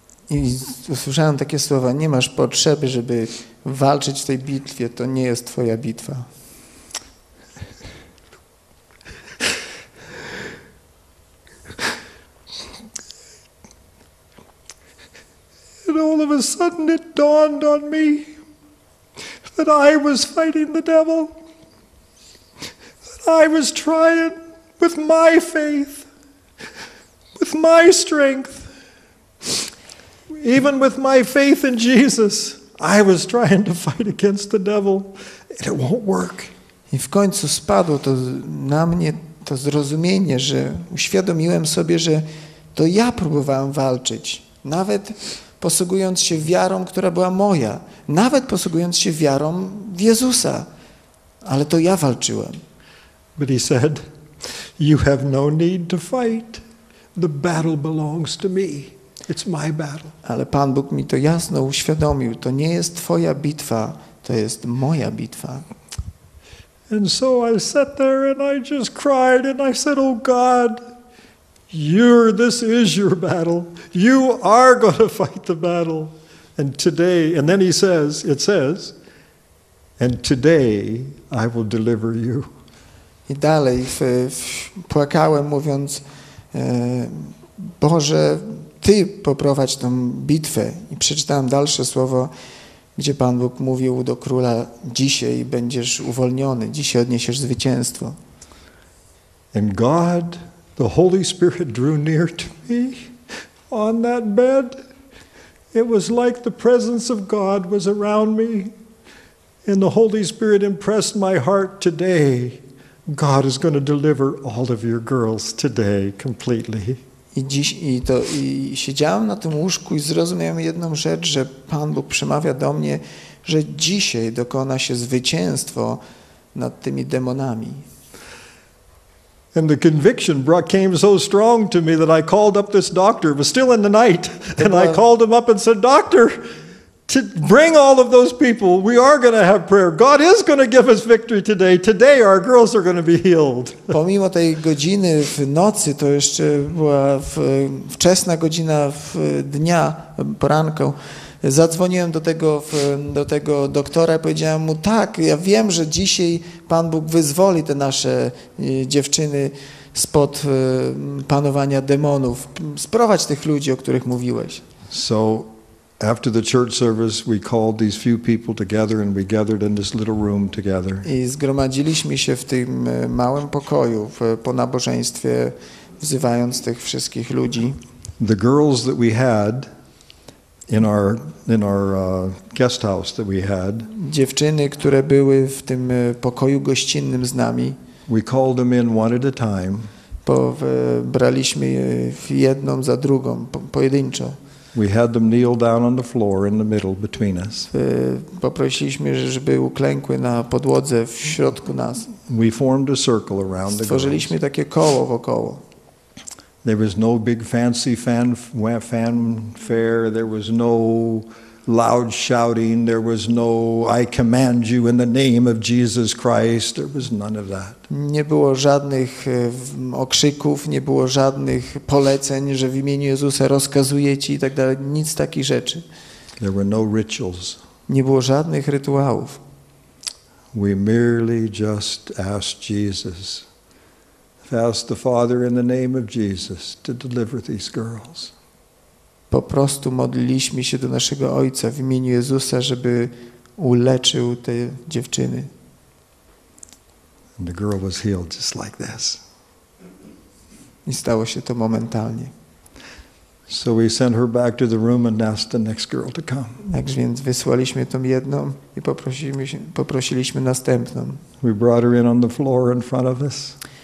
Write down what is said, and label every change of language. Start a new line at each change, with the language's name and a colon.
Polish: I usłyszałem takie słowa, nie masz potrzeby, żeby walczyć w tej bitwie, to nie jest twoja bitwa.
English: And all of a sudden it dawned on me that I was fighting the devil. That I was trying with my faith, with my strength. Even with my faith in Jesus, I was trying to fight against the devil, and it won't work.
Polish: I w końcu spadło to na mnie to zrozumienie, że uświadomiłem sobie, że to ja próbowałem walczyć, nawet posługując się wiarą, która była moja, nawet posługując się wiarą w Jezusa, ale to ja walczyłem.
English: But he said, you have no need to fight. The battle belongs to me. It's my battle.
Polish: Ale Pan Bóg mi to jasno uświadomił. To nie jest twoja bitwa, to jest moja bitwa.
English: And so I sat there and I just cried and I said, oh God, this is your battle. You are going to fight the battle And today, and then he says, it says, and today I will deliver you.
Polish: I dalej płakałem, mówiąc, Boże, Ty poprowadź tą bitwę. I przeczytałem dalsze słowo, gdzie Pan Bóg mówił do króla, dzisiaj będziesz uwolniony, dzisiaj odniesiesz zwycięstwo.
English: And God, the Holy Spirit, drew near to me on that bed. It was like the presence of God was around me. And the Holy Spirit impressed my heart today. God is going to deliver all of your girls today completely.
Polish: I dziś, i to, i siedziałem na tym łóżku i zrozumiałem jedną rzecz, że Pan Bóg przemawia do mnie, że dzisiaj dokona się zwycięstwo nad tymi demonami.
English: And the conviction came so strong to me that I called up this doctor. It was still in the night. And I called him up and said, Doctor, to bring all of those people. We are going to have prayer. God is going to give us victory today. Today our girls are going to be healed.
Polish: Pomimo tej godziny w nocy, to jeszcze była wczesna godzina w dnia, poranką, zadzwoniłem do tego doktora i powiedziałem mu, tak, ja wiem, że dzisiaj Pan Bóg wyzwoli te nasze dziewczyny spod panowania demonów. Sprowadź tych ludzi, o których mówiłeś.
English: So, after the church service, we called these few people together and we gathered in this little room together.
Polish: I zgromadziliśmy się w tym małym pokoju po nabożeństwie, wzywając tych wszystkich ludzi.
English: The girls that we had in our guest house that we had.
Polish: Dziewczyny, które były w tym pokoju gościnnym z nami.
English: We called them in one at a time.
Polish: Braliśmy jedną za drugą, pojedynczo.
English: We had them kneel down on the floor in the middle between us.
Polish: Poprosiliśmy, żeby uklękły na podłodze w środku nas.
English: We formed a circle around the girls.
Polish: Stworzyliśmy takie koło wokoło.
English: There was no big fancy fanfare, there was no loud shouting, there was no I command you in the name of Jesus Christ, there was none of that.
Polish: Nie było żadnych okrzyków, nie było żadnych poleceń, że w imieniu Jezusa rozkazuję ci i tak dalej, nic takich rzeczy.
English: There were no rituals.
Polish: Nie było żadnych rytuałów.
English: We merely just asked Jesus. Ask the Father in the name of Jesus to deliver these girls.
Polish: Po prostu modliliśmy się do naszego Ojca w imieniu Jezusa, żeby uleczył te dziewczyny.
English: And the girl was healed just like this.
Polish: I stało się to momentalnie.
English: So we sent her back to the room and asked the next girl to come.
Polish: Tak więc wysłaliśmy tą jedną i poprosiliśmy następną.
English: We brought her in on the floor in front of us.